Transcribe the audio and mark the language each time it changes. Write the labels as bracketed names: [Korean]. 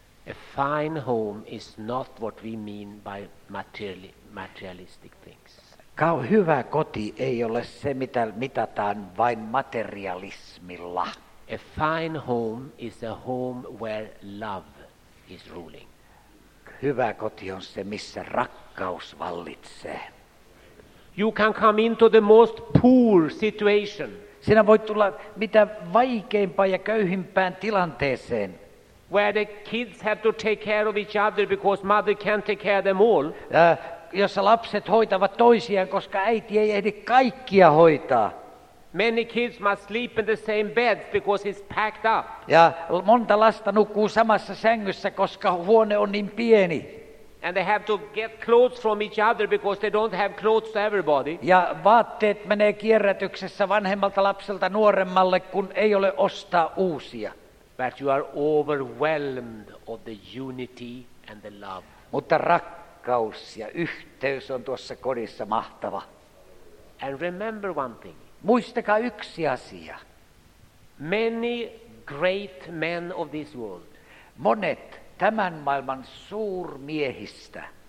[English] A fine home is not what we mean by materialistic things. [Finnish] Hyvä koti ei ole se, mitä mitataan vain materialismilla. [English] A fine home is a home where love is ruling. [Finnish] Hyvä koti on se, missä rakkaus vallitsee. [English] You can come into the most poor situation. [Finnish] Sinä voit tulla mitä vaikeimpaan ja köyhimpään tilanteeseen. [English] Where the kids have to take care of each other because mother can't take care of them all. [Finnish] Jossa lapset hoitavat toisiaan, koska äiti ei ehdi kaikkia hoitaa. [English] Many kids must sleep in the same beds because it's packed up. [Finnish] Ja monta lasta nukkuu samassa sängyssä, koska huone on niin pieni. [English] And they have to get clothes from each other because they don't have clothes to everybody. [Finnish] Ja vaatteet menee kierrätyksessä vanhemmalta lapselta nuoremmalle, kun ei ole ostaa uusia. [English] But you are overwhelmed of the unity and the love. [Finnish] Mutta rakkaus ja yhteys on tuossa kodissa mahtava. [English] And remember one thing. [Finnish] Muistakaa yksi asia. [English] Many great men of this world. [Finnish] Monet tämän maailman suurmiehistä